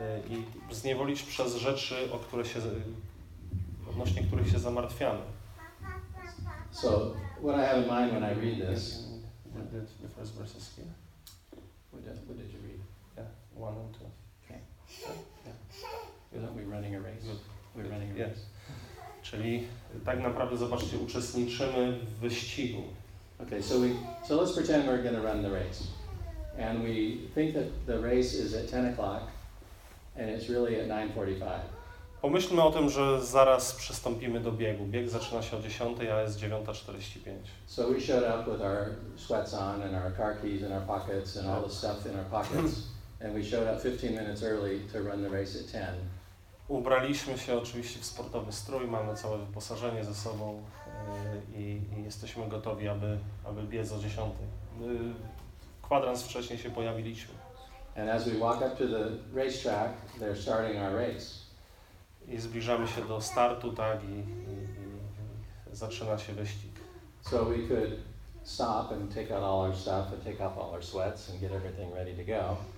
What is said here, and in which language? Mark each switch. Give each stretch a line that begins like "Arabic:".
Polish: I zniewolić przez rzeczy, o które się odnośnie których się zamartwiamy.
English: So what I have in mind when I read this. Yeah, we did the first verses here. What did you read? Yeah, 1 and 2. Okay. Yeah. We're running a race. We're running a race.
Polish: Czyli tak naprawdę, zobaczcie, uczestniczymy w wyścigu.
English: Okay, so let's pretend we're going to run the race. And we think that the race is at 10 o'clock, and it's really at 9:45.
Polish: Pomyślmy o tym, że zaraz przystąpimy do biegu. Bieg zaczyna się o 10, a jest 9:45.
English: So we showed up with our sweats on and our car keys in our pockets and all the stuff in our pockets. And we showed up 15 minutes early to run the race at 10.
Polish: Ubraliśmy się oczywiście w sportowy strój, mamy całe wyposażenie ze sobą i jesteśmy gotowi, aby biec o 10. Kwadrans wcześniej się pojawiliśmy.
English: And as we walk up to the racetrack, they're starting our race.
Polish: I zbliżamy się do startu, tak, i zaczyna się wyścig.
English: So we could stop and take out all our stuff and take off all our sweats and get everything ready to go.